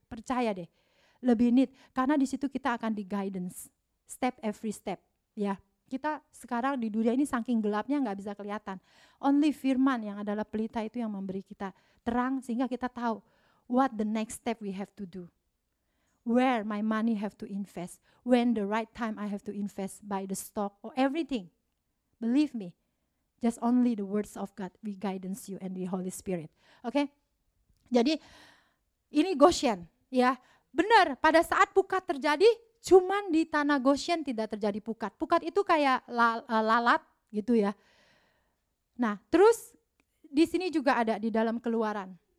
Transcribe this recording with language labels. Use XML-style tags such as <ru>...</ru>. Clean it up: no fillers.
<id>Percaya deh, lebih need. Karena di situ kita akan di guidance.</id> <en>Step every step, ya.</en> <id>Kita sekarang di dunia ini saking gelapnya gak bisa kelihatan. Only firman yang adalah pelita itu yang memberi kita terang sehingga kita tahu</id> <en>what the next step we have to do. Where my money have to invest. When the right time I have to invest by the stock or everything. Believe me, just only the words of God we guidance you and the Holy Spirit.</en> <id>Okay? Jadi ini Goshen. Ya. Benar, pada saat pukat terjadi, cuman di tanah Goshen tidak terjadi pukat. Pukat itu kayak lalat gitu ya. Nah, terus di sini juga ada di dalam Keluaran.</id>